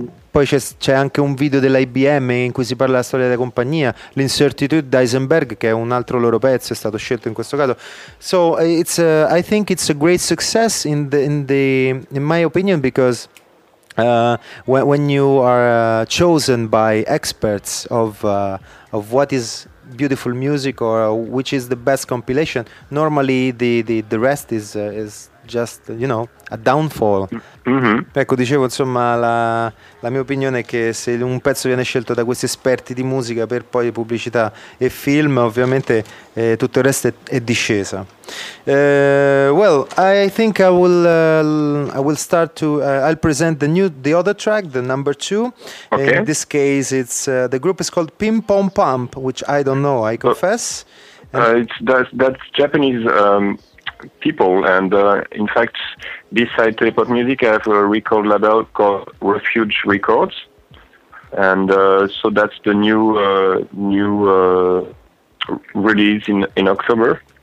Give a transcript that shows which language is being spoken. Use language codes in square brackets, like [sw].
[it] Poi c'è anche un video dell'IBM in cui si parla della storia della compagnia, l'Incertitude d'Eisenberg, che è un altro loro pezzo, è stato scelto in questo caso. [en] So it's I think it's a great success in my opinion, because when you are chosen by experts of what is beautiful music or which is the best compilation, normally the rest is just, you know, a downfall. Mm-hmm. [it] Ecco, dicevo, insomma, la mia opinione è che se un pezzo viene scelto da questi esperti di musica per poi pubblicità e film, ovviamente tutto il resto è discesa. [en] Well, I think I will start to I'll present the other track, the number two. Okay. In this case, it's the group is called Pim Pom Pump, which I don't know, I confess. That's Japanese people, and in fact, beside Telepop Music, I have a record label called Refuge Records, and so that's the new release in October.